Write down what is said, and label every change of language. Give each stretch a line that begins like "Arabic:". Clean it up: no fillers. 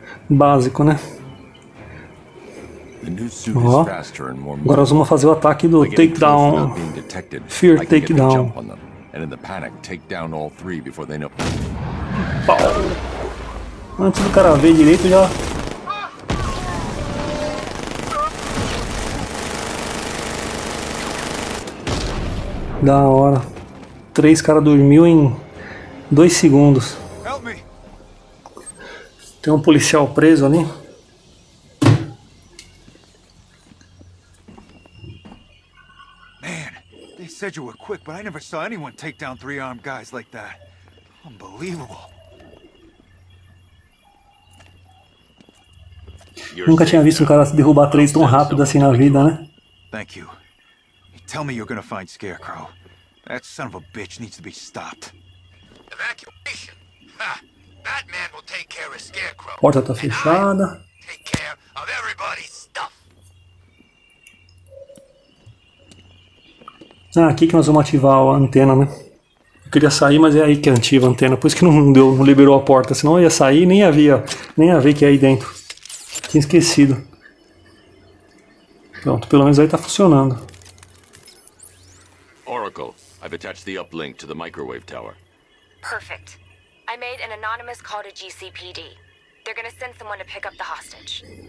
Portuguese: Básico, né? Ó, agora nós vamos fazer o ataque do takedown.
English: Fear takedown. E na panic, take down all three before they know.
Portuguese: Pau. Antes do cara ver direito já. Da hora. Três caras dormiu em 2 segundos. Tem um policial preso ali. Você disse que você era rápido, mas eu nunca vi ninguém
English: take down 3-armed guys like that. Unbelievable.
Portuguese: Nunca tinha visto um cara se derrubar 3 tão rápido assim na vida, né?
English: Thank you. You tell me you're gonna find Scarecrow. That son of a bitch needs to be stopped. Evacuation? Ha! Batman will take care of Scarecrow.
Portuguese: Porta tá fechada.
English: Take care of everybody's stuff.
Portuguese: Ah, aqui que nós vamos ativar a antena, né? Eu queria sair, mas é aí que ativa a antena. Por isso que não liberou a porta. Senão eu ia sair e nem ia ver que é aí dentro. Tinha esquecido. Pronto, pelo menos aí tá funcionando.
English: Oracle, I've attached the uplink to the microwave tower. Perfect. I made an anonymous call to GCPD. They're gonna send someone to pick up the hostage.